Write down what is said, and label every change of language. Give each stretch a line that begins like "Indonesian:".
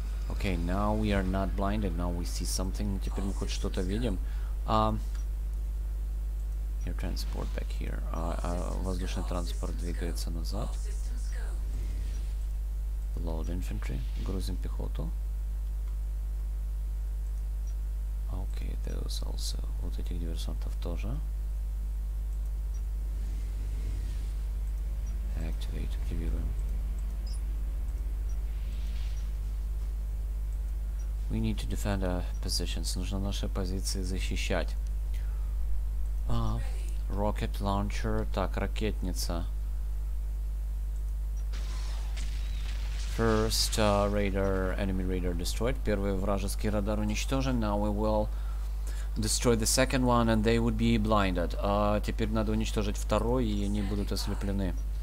English: Okay, now we are not blinded, now we see something.
Russian: Теперь мы хоть что-то видим.
English: Your transport back here.
Russian: Воздушный транспорт двигается назад.
English: Load infantry.
Russian: Грузим пехоту.
English: Okay, those also.
Russian: Вот этих диверсантов тоже.
English: Activate.
Russian: Активируем.
English: We need to defend our positions.
Russian: Нужно наши позиции защищать.
English: Rocket launcher.
Russian: Так, ракетница.
English: First radar, enemy radar destroyed.
Russian: Первый вражеский радар уничтожен.
English: Now we will destroy the second one and they would be blinded.
Russian: Теперь надо уничтожить второй, и они будут ослеплены.